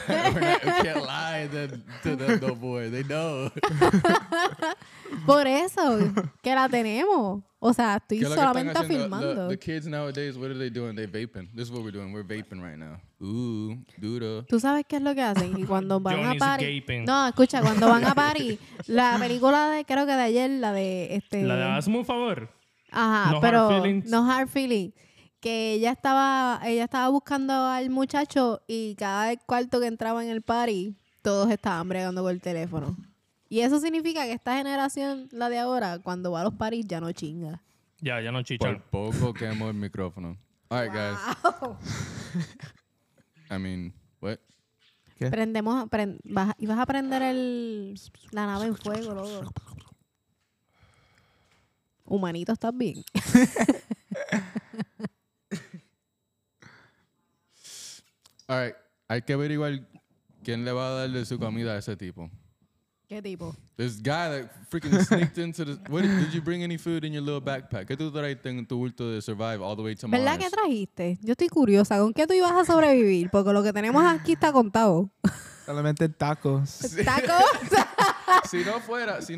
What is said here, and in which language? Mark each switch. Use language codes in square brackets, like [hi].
[en] We're not we can't lie to them, no boy. They know. [es] Por eso, que la tenemos. O sea, estoy solamente filmando. [en] The kids nowadays, what are they doing? They're vaping. This is what we're doing. We're vaping right now. [es] Ooh, duro. ¿Tú sabes qué es lo que hacen? Y cuando van [en] Johnny's a party. Gaping. [es] No, escucha, cuando van a party, la película de, creo que de ayer, la de este. La de Hazme un favor. Ajá, no pero. [en] Hard feelings. No hard feelings. [es] Que ella estaba buscando al muchacho y cada cuarto que entraba en el party, todos estaban bregando con el teléfono. Y eso significa que esta generación, la de ahora, cuando va a los parties, ya no chinga. Ya, ya no chicha. Por poco quemo el micrófono. [en] All right, wow. Guys. I mean, what? [es] ¿Qué? Prendemos, ibas a prender la nave en fuego, luego. Humanito, ¿estás bien? [en] All right, [es] hay que averiguar quién le va a darle su comida a ese tipo. ¿Qué tipo? [en] This guy that freaking sneaked into the... What, did you bring any food in your little backpack? [es] ¿Qué tú trajiste en tu bulto de [en] survive all the way to Mars? [es] ¿Verdad que trajiste? Yo estoy curiosa. ¿Con qué tú ibas a sobrevivir? Porque lo que tenemos aquí está contado. Solamente tacos. ¿Tacos? Si no fuera... Si